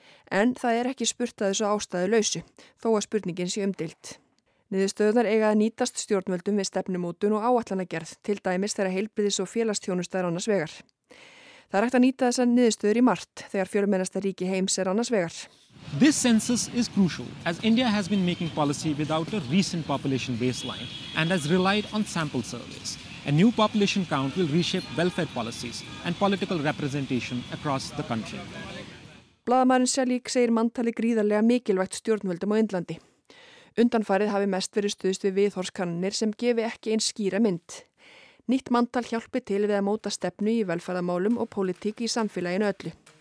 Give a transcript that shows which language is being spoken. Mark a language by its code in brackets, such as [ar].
[is] En það ekki spurt að þessu ástæðu lausu, þó að spurningin sé umdeild. Niðurstöðunar eiga að nýtast stjórnvöldum við stefnumótun og áætlanagerð, til dæmis þegar heilbrigðis- og félagsþjónusta er annars vegar. Það hægt að nýta þessa niðurstöður í margt þegar fjölmennasta ríki heims annars vegar. [en] This census is crucial as India has been making policy without a recent population baseline and has relied on sample surveys. A new population count will reshape welfare policies and political representation across the country. [is] Blaðamaðurinn Sjálík segir manntali gríðarlega mikilvægt stjórnvöldum á Indlandi. Undanfarið hafi mest verið stuðst við viðhorskannir sem gefi ekki eins skýra mynd. Nýtt manntal hjálpi til við að móta stefnu í velferðamálum og pólitík í samfélaginu öllu.